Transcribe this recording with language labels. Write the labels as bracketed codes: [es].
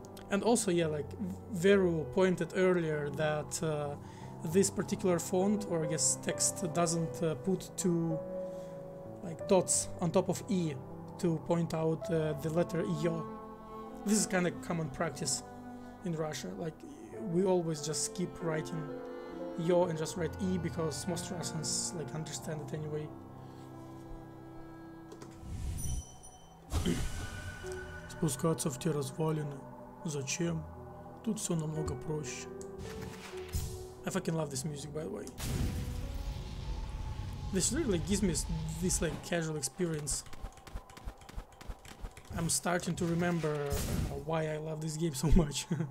[en] And also, yeah, like Veru pointed earlier that this particular font, or I guess text, doesn't put two like dots on top of E to point out the letter Yo. This is kind of common practice in Russia. Like, we always just keep writing Yo and just write E because most Russians like understand it anyway. [ru] Спускаться в те развалины. Зачем? Тут все намного проще. [en] I fucking love this music, by the way. This literally gives me this like casual experience. I'm starting to remember why I love this game so much.